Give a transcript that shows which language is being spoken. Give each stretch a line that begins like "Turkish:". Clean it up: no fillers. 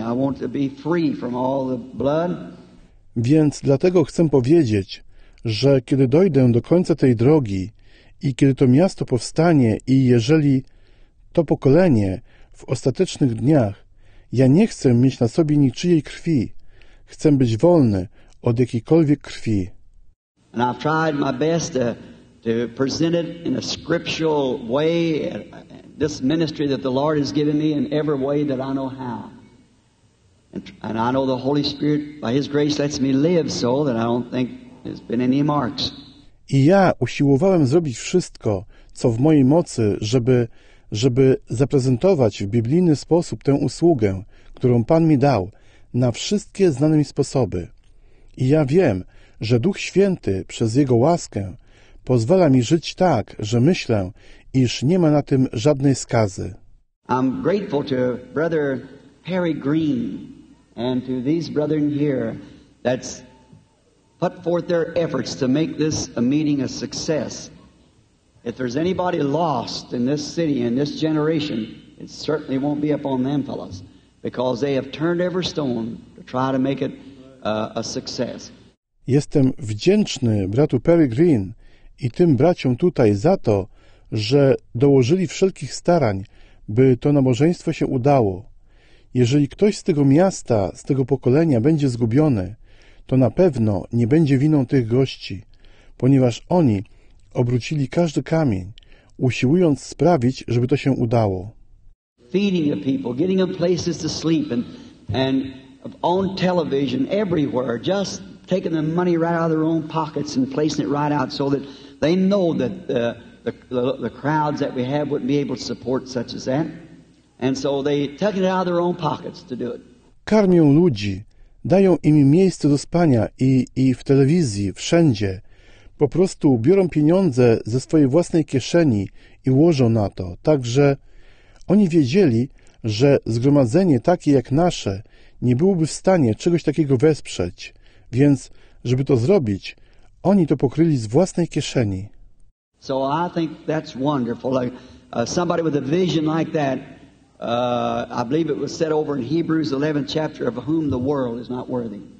English: I want to be free from all the blood.
Polish: Więc dlatego chcę powiedzieć, że kiedy dojdę do końca tej drogi i kiedy to miasto powstanie i jeżeli to pokolenie w ostatecznych dniach, ja nie chcę mieć na sobie niczyjej krwi. Chcę być wolny od jakiejkolwiek krwi.
English: And I've tried my best to to present it in a scriptural way, this ministry that the Lord has given me in every way that I know how. And I know the Holy Spirit, by His grace, lets me live so that I don't think there's been any marks.
Polish: I ja usiłowałem zrobić wszystko, co w mojej mocy, żeby zaprezentować w biblijny sposób tę usługę, którą Pan mi dał, na wszystkie znane mi sposoby. I ja wiem, że Duch Święty przez Jego łaskę pozwala mi żyć tak, że myślę, iż nie ma na tym żadnej skazy.
English: I'm grateful to brother Harry Green and to these brethren here that's put forth their efforts to make this a meeting a success. If there's anybody lost in this city, in this generation, it certainly won't be up on them fellows, because they have turned every stone to try to make it a success.
Polish: Jestem wdzięczny bratu Perry Green i tym braciom tutaj za to, że dołożyli wszelkich starań, by to nabożeństwo się udało. Jeżeli ktoś z tego miasta, z tego pokolenia będzie zgubiony, to na pewno nie będzie winą tych gości, ponieważ oni obrócili każdy kamień, usiłując sprawić, żeby to się udało.
English: Feeding the people, getting them places to sleep, and on television, everywhere, just taking the money right out of their own pockets and placing it right out so that they know that the crowds that we have wouldn't be able to support such as that. And so they taking it out of their own pockets to do it.
Polish: Karmią ludzi, dają im miejsce do spania i w telewizji, wszędzie. Po prostu biorą pieniądze ze swojej własnej kieszeni i łożą na to. Także oni wiedzieli, że zgromadzenie takie jak nasze nie byłoby w stanie czegoś takiego wesprzeć. Więc, żeby to zrobić, oni to pokryli z własnej kieszeni.
English: So I think that's wonderful. Like, somebody with a vision like that, I believe it was said over in Hebrews 11 chapter, of whom the world is not worthy.